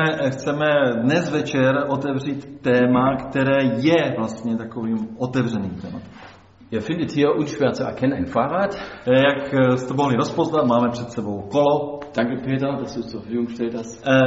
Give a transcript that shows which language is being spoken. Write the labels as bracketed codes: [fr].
[cs] Chceme dnes večer otevřít téma, které je vlastně takovým otevřeným tématem. [de] Ihr findet hier unschwer zu erkennen ein Fahrrad. [cs] Jak jste mohli rozpoznat, máme před sebou kolo. [de] Danke Peter, dass du zur Verfügung gestellt hast.